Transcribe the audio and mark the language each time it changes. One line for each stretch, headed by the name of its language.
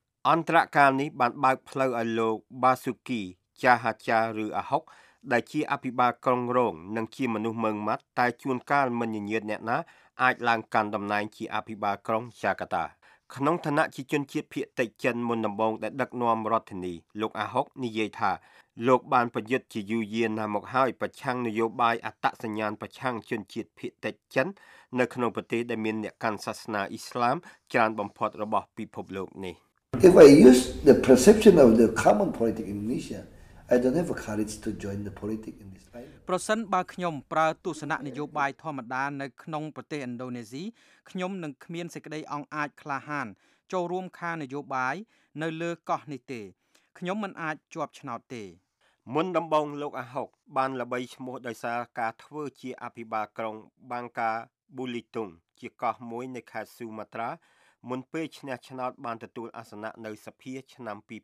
Khmer: អន្តរកាលនេះបានបើកផ្លូវឲ្យលោកបាសុគីចាហាចាឬអាហុកដែលជាអភិបាលក្រុងរងនិងជាមនុស្សម៉ឹងម៉ាត់តែជួនកាលមិនញញើតអ្នកណាអាចឡើងកាន់តំណែងជាអភិបាលក្រុងចាកាតាក្នុងឋានៈជាជនជាតិភាគតិចចិនមុនដំបូងដែលដឹកនាំរដ្ឋធានីលោកអាហុកនិយាយថាលោកបានប្រយុទ្ធជាយូរយារណាស់មកហើយប្រឆាំងនយោបាយអត្តសញ្ញាណប្រឆាំងជនជាតិភាគតិចចិននៅក្នុងប្រទេសដែលមានអ្នកកាន់សាសនាអ៊ីស្លាមច្រើនបំផុតរបស់ពិភពលោកនេះ
English: If I use the perception of the common politics in Indonesia I don't have the courage to join the politics in this fight.
Khmer: ប្រសិនបើខ្ញុំប្រើទស្សនៈនយោបាយធម្មតានៅក្នុងប្រទេសឥណ្ឌូនេស៊ីខ្ញុំនឹងគ្មានសេចក្តីអង់អាចក្លាហានចូលរួមខាងនយោបាយនៅលើកោះនេះទេខ្ញុំមិនអាចជាប់ឆ្នោតទេ មុនដំបូងលោកអាហុកបានល្បីឈ្មោះដោយសារការធ្វើជាអភិបាលក្រុងបាងកាប៊ូលីតុងជាកោះមួយនៅខេត្តស៊ូម៉ាត្រាមុនពេលឈ្នះឆ្នោតបានទទួលអាសនៈនៅសភាឆ្នាំ